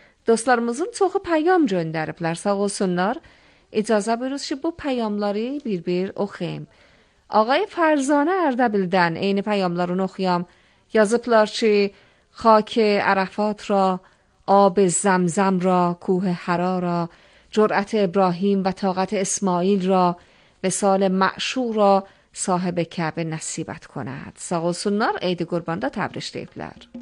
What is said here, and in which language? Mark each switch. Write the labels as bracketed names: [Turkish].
[Azerbaijani] Dostlarımızın çoxu pəyam göndəriblər, sağ olsunlar. İcazə buyuruz ki, bu pəyamları bir-bir oxuyayım. Ağay Fərzana Ərdəbildən eyni pəyamlarını oxuyam. Yazıblar ki, [Persian] xaki Ərəfat ra آب زمزم را، کوه حرا را، جرأت ابراهیم و طاقت اسماعیل را، وصال معشوق را صاحب کعبه نصیبت کند. [Azerbaijani] ساغوسونار عید قربان دا تبرش دیبلر.